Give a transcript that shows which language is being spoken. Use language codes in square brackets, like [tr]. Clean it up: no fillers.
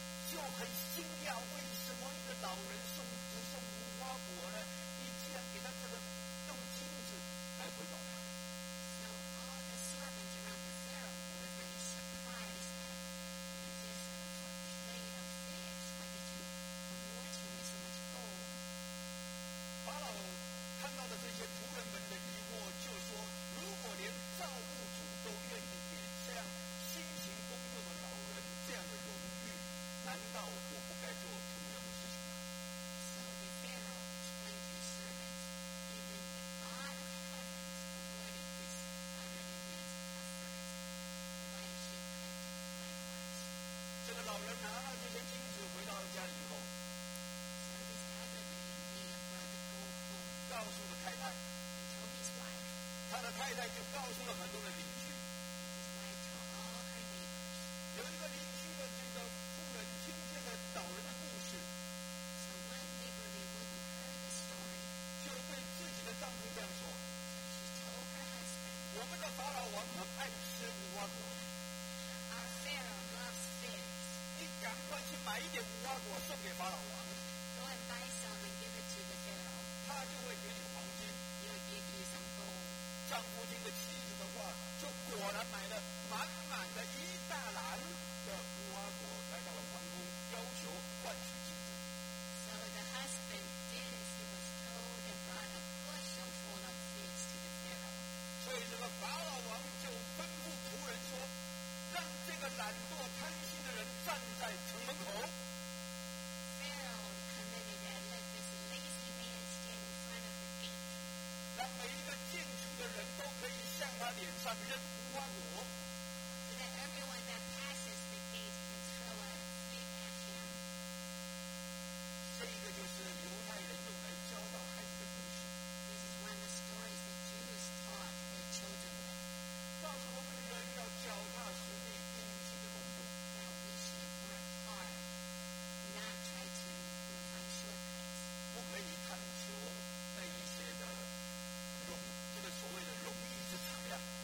[zh] 就很惊讶，为什么一个老人送只送无花果呢？你竟然给他这个用金子来回报他。 [en] So all the servants around the Pharaoh were very surprised that the magician took a plate of figs. Why did you reward him with so much gold? [zh] 法老看到的这些仆人们的疑惑，就说：如果连造物主都愿意给这样辛勤工作的老人这样的荣誉，难道我不该做同样的事情吗？ [en] So the Pharaoh explained to his servants, even the God of heavens awarded this elderly man's efforts. Why should I do likewise? [zh] 这个老人拿了这些金子回到家以后， [en] So this elderly man brought the gold home, [zh] 告诉了太太， [en] He told his wife. [zh] 他的太太就告诉了很多的邻居。有一个邻居的这个妇人听见了老人的故事， [en] so one neighborly woman heard the story， [zh] 就对自己的丈夫这样说， [en] she told her husband， [zh] 我们的法老王很爱吃无花果， [en] our Pharaoh loves figs， [zh] 你赶快去买一点无花果送给法老王， [en] go and buy some and give it to the Pharaoh， [zh] 他就会给你黄金， [en] he will give you some gold。 [zh] 丈夫听着妻子的话，就果然买了满满的一大篮的无花果，来到了皇宫，要求换取金子。 [en] So the husband did as he was told and brought a bushel full of figs to the Pharaoh. [zh] 所以这个法老王就吩咐仆人说：“让这个懒惰贪心的人站在城门口。” [en] Pharaoh commanded and let this lazy man stand in front of the gate. [zh] 让每一个进城的人都可以向他脸上扔无花果。 [en] So that everyone that passes the gate can throw a fig at him. [zh] 这个就是犹太人用来教导孩子的故事。 [en] This is one of the stories the Jews taught their children with. [zh] 告诉我们的人要脚踏实地，尽心的工作。 [en] That we should work hard, not try to find shortcuts. [zh] 不可以贪求那一些的容，这个所谓的容易之财呀。